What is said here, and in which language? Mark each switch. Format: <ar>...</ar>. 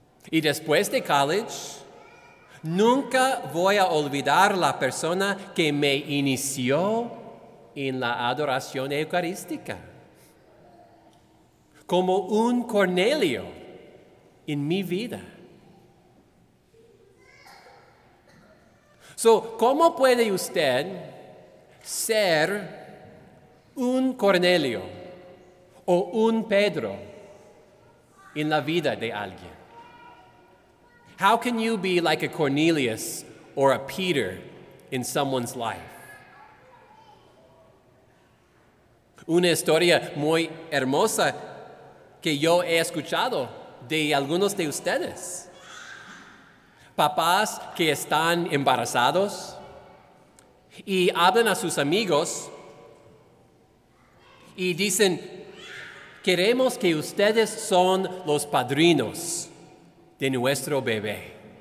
<es>Y después de college, nunca voy a olvidar la persona que me inició en la adoración eucarística, como un Cornelio en mi vida. So, ¿cómo puede usted ser un Cornelio o un Pedro en la vida de alguien?</es> <en>How can you be like a Cornelius or a Peter in someone's life?</en> <es>Una historia muy hermosa que yo he escuchado de algunos de ustedes. Papás que están embarazados y hablan a sus amigos y dicen, queremos que ustedes son los padrinos de nuestro bebé.</es>